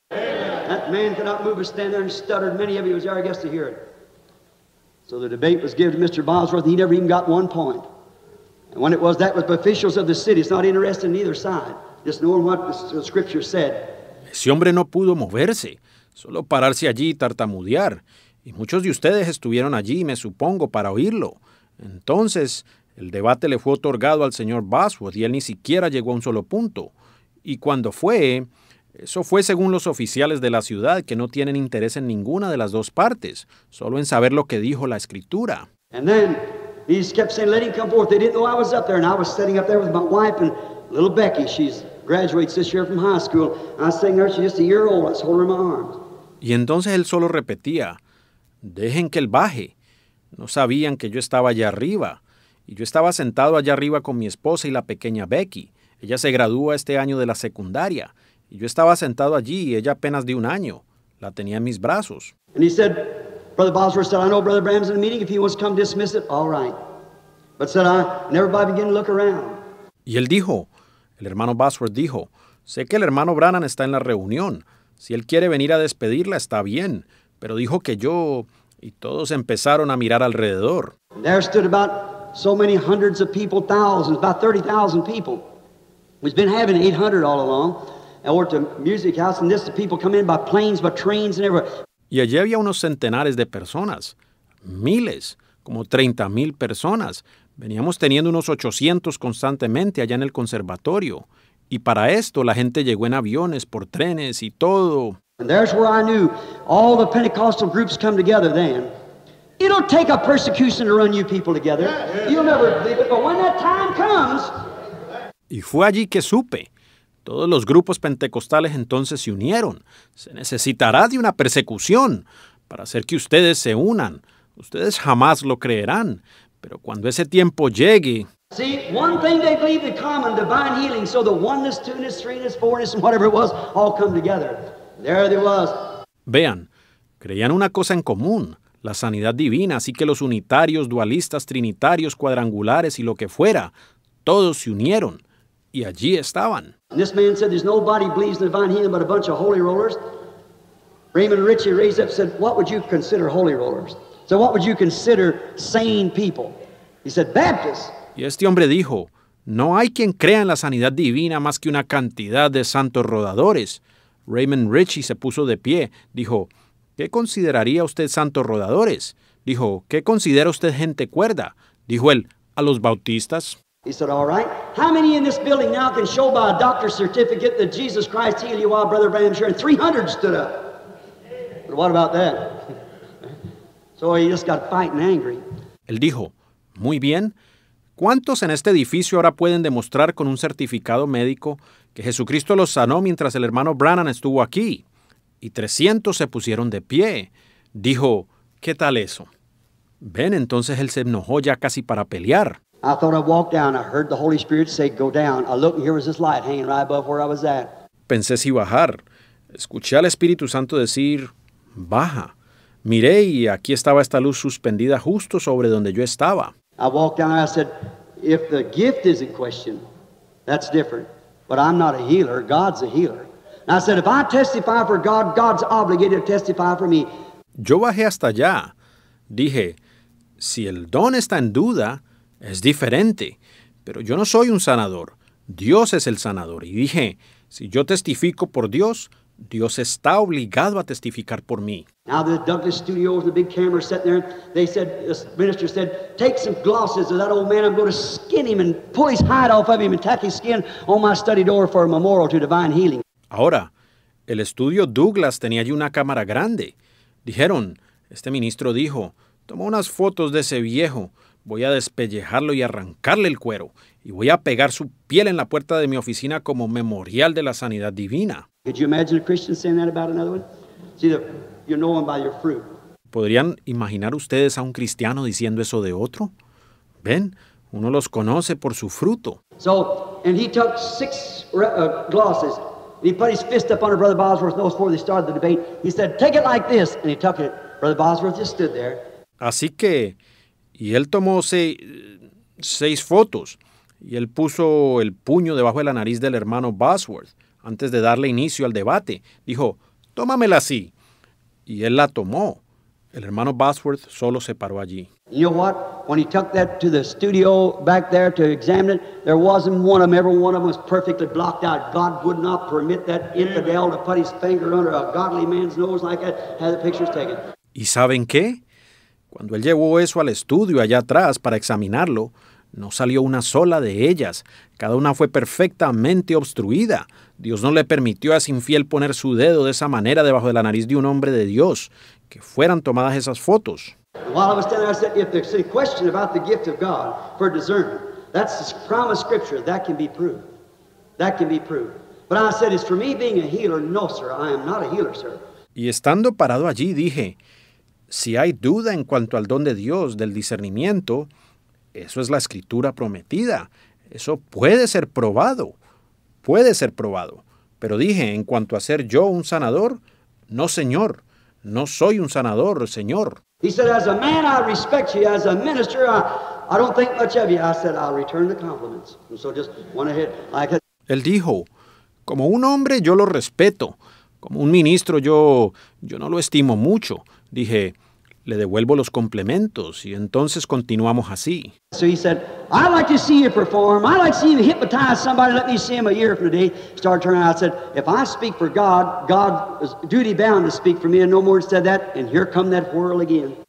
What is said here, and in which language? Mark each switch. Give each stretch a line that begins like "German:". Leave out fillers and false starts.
English: That man cannot move or stand there and stuttered. Many of you was there, I guess, to hear it. So the debate was given to Mr. Bosworth, and he never even got one point. And when it was that with officials of the city, it's not interested in either side, just knowing what the scripture said.
Spanish: Ese hombre no pudo moverse, solo pararse allí y tartamudear. Y muchos de ustedes estuvieron allí, me supongo, para oírlo. Entonces, el debate le fue otorgado al señor Bosworth y él ni siquiera llegó a un solo punto. Y cuando fue, eso fue según los oficiales de la ciudad que no tienen interés en ninguna de las dos partes, solo en saber lo que dijo la escritura.
English: And then he just kept saying, let him come forth. They didn't know I was up there, and I was sitting up there with my wife and little Becky. She graduates this year from high school. I was sitting there, she's just a year old, I was holding my arms.
Spanish: Y entonces él solo repetía, dejen que él baje. No sabían que yo estaba allá arriba. Y yo estaba sentado allá arriba con mi esposa y la pequeña Becky. Ella se gradúa este año de la secundaria. Y yo estaba sentado allí y ella apenas de un año. La tenía en mis brazos.
English: And he said, Brother Bosworth said, I know Brother Bram's in the meeting. If he wants to come dismiss it, all right. But said, I never by begin to look around.
Spanish: Y él dijo, el hermano Bosworth dijo, sé que el hermano Brannan está en la reunión. Si él quiere venir a despedirla, está bien. Pero dijo que yo, y todos empezaron a mirar alrededor.
English: And there stood about so many hundreds of people, thousands, about 30,000 people. We've been having 800 all along. And we're at the music house, and this, the people come in by planes, by trains, and everywhere.
Spanish: Y allí había unos centenares de personas, miles, como 30,000 personas. Veníamos teniendo unos 800 constantemente allá en el conservatorio. Y para esto la gente llegó en aviones, por trenes y todo.
English: And there's where I knew all the Pentecostal groups come together then. It'll take a persecution to run you people together. You'll never believe it, but when that time comes.
Spanish: Y fue allí que supe. Todos los grupos pentecostales entonces se unieron. Se necesitará de una persecución para hacer que ustedes se unan. Ustedes jamás lo creerán, pero cuando ese tiempo llegue.
English: See, one thing they believe in common, divine healing, so the oneness, two-ness, three-ness, four-ness, and whatever it was, all come together. There it was.
Spanish: Vean, creían una cosa en común, la sanidad divina, así que los unitarios, dualistas, trinitarios, cuadrangulares y lo que fuera, todos se unieron, y allí estaban.
English: And this man said, there's nobody believes in divine healing but a bunch of holy rollers. Raymond Ritchie raised up and said, what would you consider holy rollers? So what would you consider sane people? He said, Baptists.
Spanish: Y este hombre dijo, no hay quien crea en la sanidad divina más que una cantidad de santos rodadores. Raymond Ritchie se puso de pie, dijo, ¿qué consideraría usted santos rodadores? Dijo, ¿qué considera usted gente cuerda? Dijo él, ¿a los bautistas?
English: He said, all right. How many in this building now can show by a doctor's certificate that Jesus Christ healed you while Brother Branham's here? 300 stood up. But what about that? So he just got fighting angry.
Spanish: Él dijo, muy bien. ¿Cuántos en este edificio ahora pueden demostrar con un certificado médico que Jesucristo los sanó mientras el hermano Branham estuvo aquí? Y 300 se pusieron de pie. Dijo, ¿qué tal eso? Ven, entonces él se enojó ya casi para pelear.
English: I thought I walked down. I heard the Holy Spirit say, go down. I looked and here was this light hanging right above where I was at.
Spanish: Pensé si bajar. Escuché al Espíritu Santo decir, baja. Miré y aquí estaba esta luz suspendida justo sobre donde yo estaba.
English: I walked down and I said, if the gift is in question, that's different. But I'm not a healer. God's a healer. And I said, if I testify for God, God's obligated to testify for me.
Spanish: Yo bajé hasta allá. Dije, si el don está en duda, es diferente. Pero yo no soy un sanador. Dios es el sanador. Y dije, si yo testifico por Dios, Dios está obligado a testificar por mí.
English: Now the Douglas studio with the big camera sitting there, they said, the minister said, take some glosses of that old man, I'm going to skin him and pull his hide off of him and tack his skin on my study door for a memorial to divine healing.
Spanish: Ahora, el estudio Douglas tenía allí una cámara grande. Dijeron, este ministro dijo, toma unas fotos de ese viejo, voy a despellejarlo y arrancarle el cuero, y voy a pegar su piel en la puerta de mi oficina como memorial de la sanidad divina.
English: Could you imagine a Christian saying that about another one? See, you know them by your fruit.
Spanish: ¿Podrían imaginar ustedes a un cristiano diciendo eso de otro? Ven, uno los conoce por su fruto.
English: So, and he took six glosses, and he put his fist up under Brother Bosworth's nose before they started the debate. He said, take it like this, and he took it. Brother Bosworth just stood there.
Spanish: Así que, y él tomó seis fotos, y él puso el puño debajo de la nariz del hermano Bosworth. Antes de darle inicio al debate, dijo, tómamela así. Y él la tomó. El hermano Bosworth solo se paró allí.
English: You know what? When he took that to the studio back there to examine it, there wasn't one of them. Every one of them was perfectly blocked out. God would not permit that infidel to put his finger under a godly man's nose like that, had the pictures taken.
Spanish: ¿Y saben qué? Cuando él llevó eso al estudio allá atrás para examinarlo, no salió una sola de ellas. Cada una fue perfectamente obstruida. Dios no le permitió a ese infiel poner su dedo de esa manera debajo de la nariz de un hombre de Dios, que fueran tomadas esas fotos.
English: While I was standing there, I said, if there's any question about the gift of God for discernment, that's the promised scripture, that can be proved. That can be proved. But I said, it's for me being a healer, no, sir, I am not a healer, sir.
Spanish: Y estando parado allí, dije, si hay duda en cuanto al don de Dios, del discernimiento, eso es la escritura prometida. Eso puede ser probado. Puede ser probado. Pero dije, en cuanto a ser yo un sanador, no, señor. No soy un sanador, señor.
English: He said, as a man, I respect you. As a minister, I don't think much of you. I said, I'll return the compliments. And so just went ahead like that.
Spanish: Él dijo, como un hombre, yo lo respeto. Como un ministro, yo no lo estimo mucho. Dije, le devuelvo los complementos y entonces continuamos así.
English: So he said, I'd like to see you perform. I'd like to see you hypnotize somebody. Let me see him a year from today. Started turning around. I said, if I speak for God, God is duty bound to speak for me. And no more said that. And here come that whirl again.